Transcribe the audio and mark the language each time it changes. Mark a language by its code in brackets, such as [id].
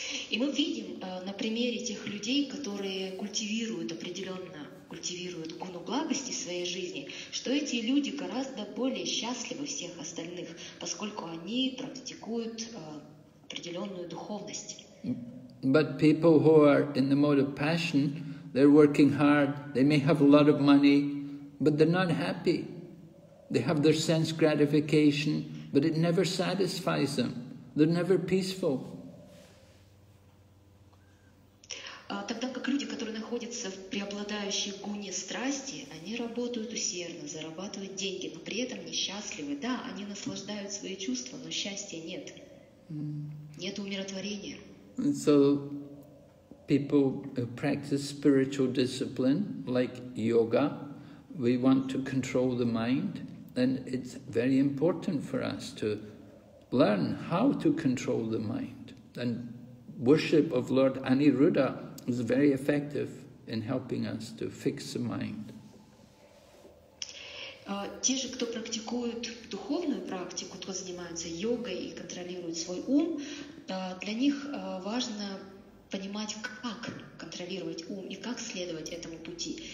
[ru] И мы видим на примере тех людей, которые культивируют определенно, культивируют гуну благости в своей жизни, что эти люди гораздо более счастливы всех остальных, поскольку они практикуют определенную духовность. [en] But people who are in the mode of passion, they're working hard, they may have a lot of money, but they're not happy. They have their sense gratification, but it never satisfies them. They're never peaceful. [ru] Тогда как люди, которые находятся в преобладающей гуне страсти, они работают усердно, зарабатывают деньги, но при этом несчастливы. Да, они наслаждают свои чувства, но счастья нет. Нет умиротворения. [en] So people who practice spiritual discipline like yoga, we want to control the mind, and it's very important for us to learn how to control the mind. And worship of Lord Aniruddha is very effective in helping us to fix the mind. [ru] Те же, кто практикует духовную практику, кто занимается йогой и контролирует свой ум, для них важно понимать, как контролировать ум и как следовать этому пути.